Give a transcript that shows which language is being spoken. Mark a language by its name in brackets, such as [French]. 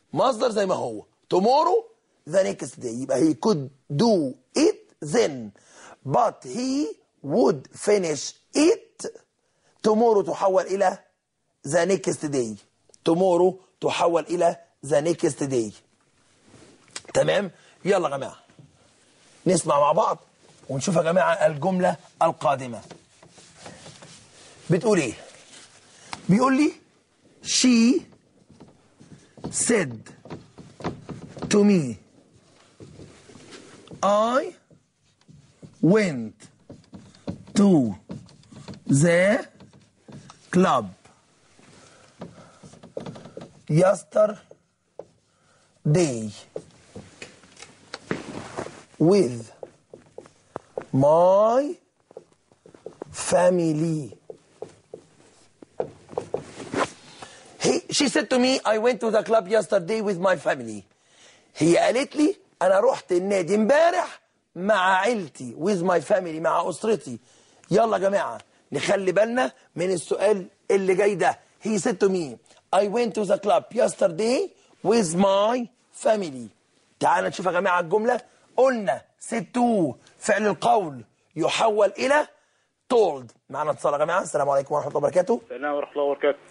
[Arabic] مصدر زي ما هو. [English] Tomorrow the next day. يبقى he could do it then, but he would finish it tomorrow. [Arabic] تحول إلى [English] The next day. Tomorrow تحول إلى The next day. [Arabic] تمام؟ يلا جماعة نسمع مع بعض ونشوف يا جماعة الجملة القادمة بتقول إيه؟ بيقول لي [English] She said to me I went to the club yesterday with my family. She said to me, I went to the club yesterday with my family. [Arabic] هي قالت لي أنا روحت النادي امبارح مع عيلتي. [English] With my family, [Arabic] مع أسرتي. يلا جماعة نخلي بالنا من السؤال اللي جاي ده. [English] He said to me, I went to the club yesterday with my family. [Arabic] تعال نشوف يا جماعة الجملة. قلنا [English] said to [Arabic] فعل القول يحول إلى told. معنا اتصال يا جماعة. السلام عليكم ورحمة الله وبركاته. السلام ورحمة الله وبركاته.